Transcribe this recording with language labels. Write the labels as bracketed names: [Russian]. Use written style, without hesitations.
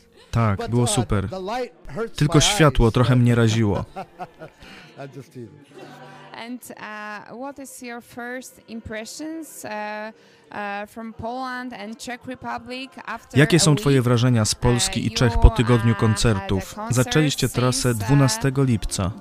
[Polish] Tak, było super. Tylko światło trochę mnie raziło. [English] And what is your first impressions from Poland and Czech Republic after? [Polish] Jakie są twoje wrażenia z Polski i Czech po tygodniu koncertów? Zaczęliście trasę 12 lipca.